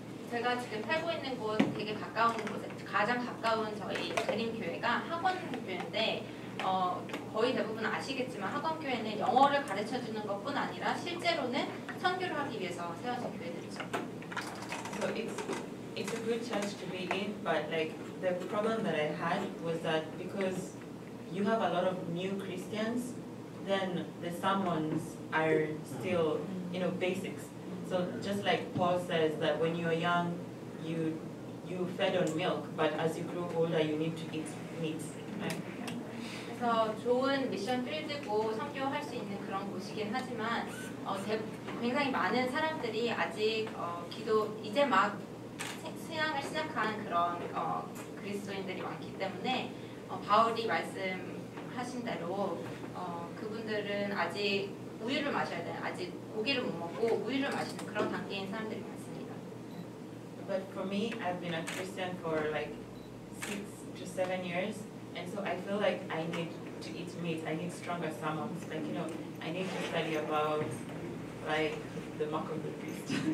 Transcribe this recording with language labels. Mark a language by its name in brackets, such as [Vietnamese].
[Korean] 제가 지금 살고 있는 곳 되게 가까운 곳에 가장 가까운 저희 재림 교회가 학원 교회인데 거의 대부분 아시겠지만 학원 교회는 영어를 가르쳐 주는 것뿐 아니라 실제로는 선교를 하기 위해서 세워진 교회들이죠. [English] So it's a good church to be in, but like the problem that I had was that because you have a lot of new Christians, then the sermons are still, you know, basics. So just like Paul says that when you are young, you fed on milk, but as you grow older, you need to eat meat, right? [Korean] 그래서 좋은 미션 필드고 선교할 수 있는 그런 곳이긴 하지만 굉장히 많은 사람들이 아직 기도 이제 막 신앙을 시작한 그런 그리스도인들이 많기 때문에 바울이 말씀하신 대로 그분들은 아직 우유를 마셔야 돼요. 아직 고기를 못 먹고 우유를 마시는 그런 단계인 사람들이 많습니다. [English] But for me, I've been a Christian for like 6 to 7 years, and so I feel like I need to eat meat. I need stronger salmons. Like, you know, I need to study about like the mark of the beast.